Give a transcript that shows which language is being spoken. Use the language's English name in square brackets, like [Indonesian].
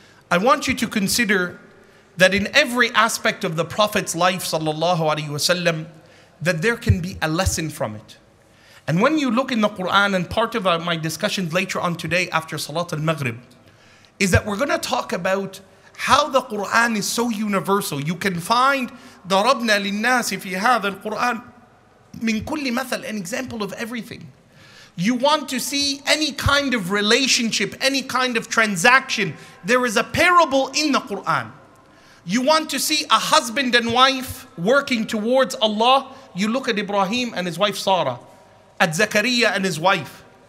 [English] I want you to consider that in every aspect of the Prophet's life sallallahu alaihi wasallam, that there can be a lesson from it. And when you look in the Quran, and part of my discussion later on today after Salat al-Maghrib, is that we're going to talk about how the Quran is so universal. You can find [Arabic] ضَرَبْنَا لِلنَّاسِ فِي هَذَا الْقُرْآنِ مِنْ كُلِّ مَثَلٍ, [English] an example of everything. You want to see any kind of relationship, any kind of transaction, there is a parable in the Quran. You want to see a husband and wife working towards Allah, you look at Ibrahim and his wife Sarah, at Zakariya and his wife.